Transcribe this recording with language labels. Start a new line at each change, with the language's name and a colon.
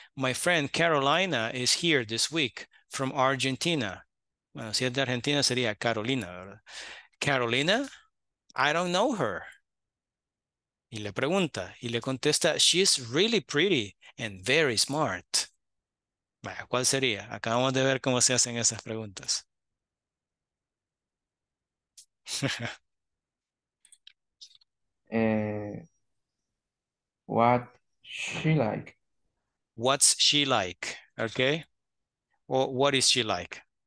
English: My friend Carolina is here this week from Argentina.
Spanish: Bueno, si es de Argentina, sería Carolina, ¿verdad?
English: Carolina, I don't know her.
Spanish: Y le pregunta, y le contesta,
English: she's really pretty and very smart.
Spanish: Bueno, ¿cuál sería? Acabamos de ver cómo se hacen esas preguntas.
English: What she like? What's she like? Okay. Or what is she like?